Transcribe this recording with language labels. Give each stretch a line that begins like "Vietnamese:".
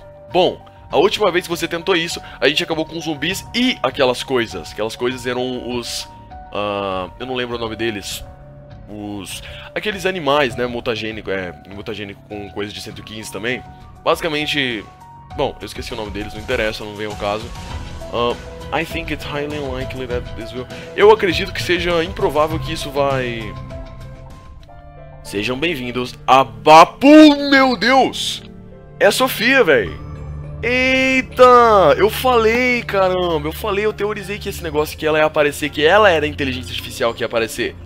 Portuguese: Bom, a última vez que você tentou isso, a gente acabou com os zumbis e aquelas coisas. Aquelas coisas eram os... eu não lembro o nome deles. Aqueles animais, né, mutagênico com coisa de 115 também. Basicamente, bom, eu esqueci o nome deles, não interessa, não vem ao caso.
English: I think it's highly unlikely that this will...
Portuguese: Eu acredito que seja improvável que isso vai... Sejam bem-vindos a Bapu, meu Deus! É a Sofia, véi! Eita, eu teorizei que esse negócio que ela ia aparecer, que ela era a inteligência artificial que ia aparecer.